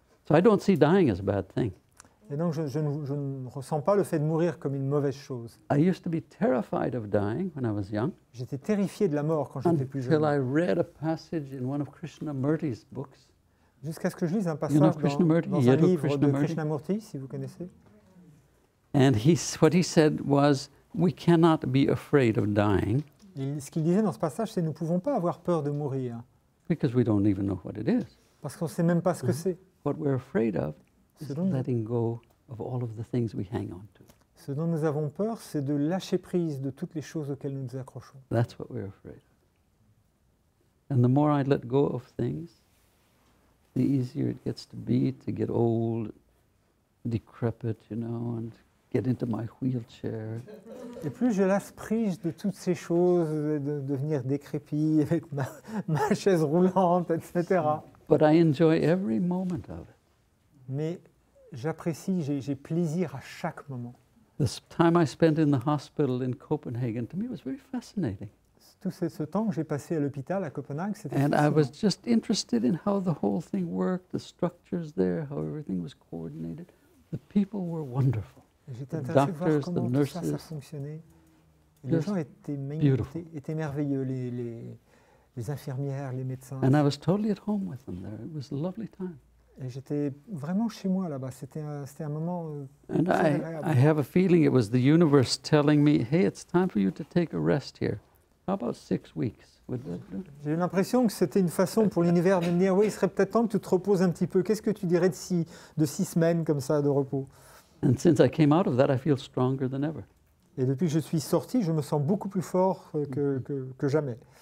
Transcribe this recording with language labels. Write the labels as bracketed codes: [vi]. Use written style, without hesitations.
[en] So I don't see dying as a bad thing. [fr] Et donc je ne ressens pas le fait de mourir comme une mauvaise chose. [en] I used to be terrified of dying when I was young. [fr] J'étais terrifié de la mort quand j'étais plus jeune. [en] Until I read a passage in one of Krishnamurti's books. [fr] Jusqu'à ce que je lise un passage dans un livre de Krishnamurti, si vous connaissez. [en] And what he said was, we cannot be afraid of dying. [fr] Et ce qu'il disait dans ce passage, c'est nous ne pouvons pas avoir peur de mourir. [en] Because we don't even know what it is. [fr] Parce qu'on ne sait même pas ce que c'est. [en] What we're afraid of is letting go of all of the things we hang on to. [fr] Ce dont nous avons peur, c'est de lâcher prise de toutes les choses auxquelles nous nous accrochons. [en] That's what we're afraid of. And the more I let go of things, the easier it gets to be to get old, decrepit, you know, and get into my wheelchair. [fr] Et plus je lasse prise de toutes ces choses, de devenir décrépit avec ma chaise roulante, etc. [en] But I enjoy every moment of it. [fr] Mais j'apprécie, j'ai plaisir à chaque moment. [en] The time I spent in the hospital in Copenhagen, to me, was very fascinating. [fr] Tout ce temps que j'ai passé à l'hôpital à Copenhague, c'était fascinant. [en] And I was just interested in how the whole thing worked, the structures there, how everything was coordinated. The people were wonderful. [fr] J'étais intéressé de voir comment tout ça fonctionnait. Les gens étaient merveilleux, les infirmières, les médecins. [en] And I was totally at home with them there. It was a lovely time. [fr] Et j'étais vraiment chez moi là-bas. C'était un moment très agréable. [en] And I have a feeling it was the universe telling me, hey, it's time for you to take a rest here. How about 6 weeks? [fr] J'ai eu l'impression que c'était une façon pour l'univers de me dire, oui, il serait peut-être temps que tu te reposes un petit peu. Qu'est-ce que tu dirais de six semaines comme ça de repos? [en] And since I came out of that, I feel stronger than ever. [fr] Et depuis que je suis sorti, je me sens beaucoup plus fort que jamais.